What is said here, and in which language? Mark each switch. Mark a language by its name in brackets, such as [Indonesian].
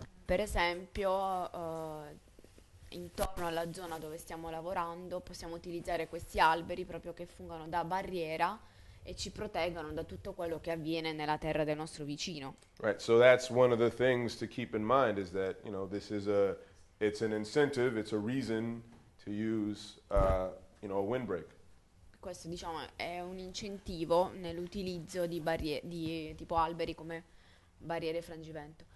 [Italian] Per esempio, intorno alla zona dove stiamo lavorando, possiamo utilizzare questi alberi proprio che fungano da barriera e ci proteggano da tutto quello che avviene nella terra del nostro vicino. [English] Right, so that's one of the things to keep in mind is that, you know, this is a, it's an incentive, it's a reason to use, you know, a windbreak. [Italian] Questo, diciamo, è un incentivo nell'utilizzo di barriere, di tipo alberi come barriere frangivento.